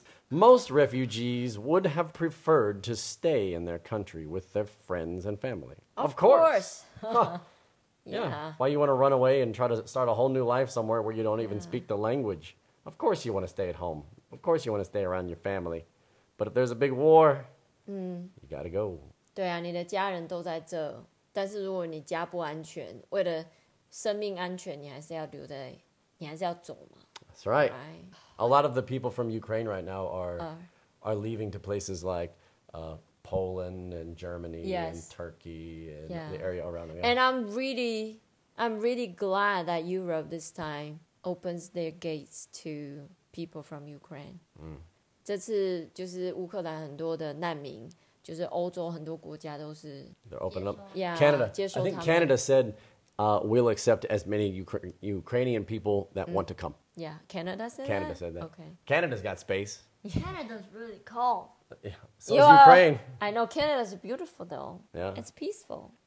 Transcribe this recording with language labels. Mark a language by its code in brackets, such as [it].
[en] Most refugees would have preferred to stay in their country with their friends and family. Of course. Yeah. Why you want to run away and try to start a whole new life somewhere where you don't even speak the language? Of course you want to stay at home. Of course you want to stay around your family. But if there's a big war, you gotta go. [zh] 对啊，你的家人都在这，但是如果你家不安全，为了生命安全，你还是要留在，你还是要走嘛。 [en] That's right. A lot of the people from Ukraine right now are leaving to places like Poland and Germany and Turkey and the area around them. And I'm really glad that Europe this time. Opens their gates to people from Ukraine. [zh] 这次就是乌克兰很多的难民，就是欧洲很多国家都是 [en] They're opening up. Yeah, Canada. I think Canada said, "We'll accept as many Ukrainian people that want to come." Yeah, Canada said. Canada said that. Okay. Canada's got space. Canada's really cool. Yeah. So is Ukraine. I know Canada's beautiful though. Yeah. It's peaceful.